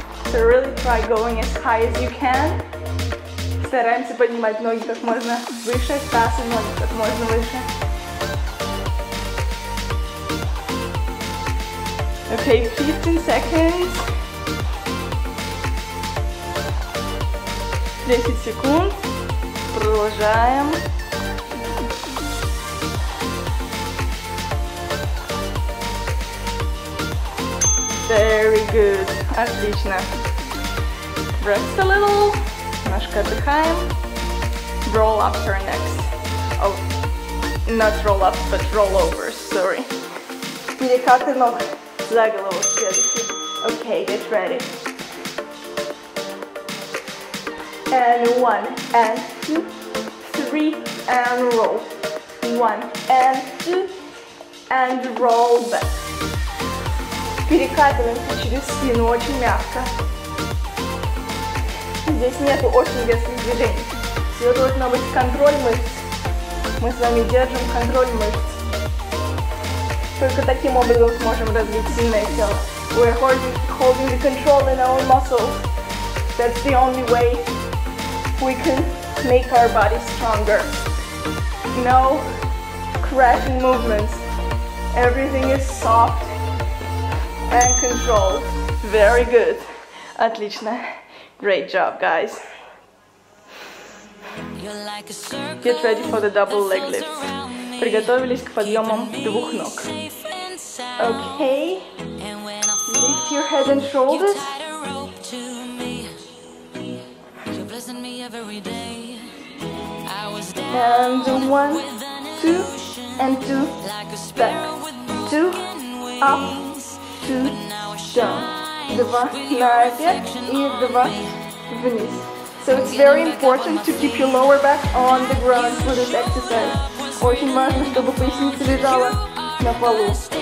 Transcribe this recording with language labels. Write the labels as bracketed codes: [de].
[en] So really try going as high as you can. [ru] Стараемся поднимать ноги как можно выше, таз и ноги как можно выше. [en] Okay, 15 seconds. [ru] 10 секунд. Продолжаем. [en] Very good. [ru] Отлично. [en] Rest a little. [ru] Немножко отдыхаем. [en] Roll up to our next. Oh, not roll up, but roll over, sorry. [ru] Перекаты ног за голову следующий. [en] Okay, get ready. And one, and two, three, and roll. One, and two, and roll back. [ru] Перекатываемся через спину очень мягко. Здесь нету очень резких движений. Все должно быть контроль мышц. Мы с вами держим контроль мышц. Только таким образом сможем развить сильное тело. [en] We're holding the control in our muscles. That's the only way we can make our body stronger. No crashing movements. Everything is soft and controlled. Very good. [ru] Отлично. [en] Great job, guys. Get ready for the double leg lift. [ru] Приготовились к подъемам двух ног. [en] Okay. Lift your head and shoulders. And one, two, and two, back. Two, up, two, down. [ru] Два, наверх, и два, вниз. [en] So it's very important to keep your lower back on the ground for this exercise. [ru] Очень важно, чтобы поясница лежала на полу.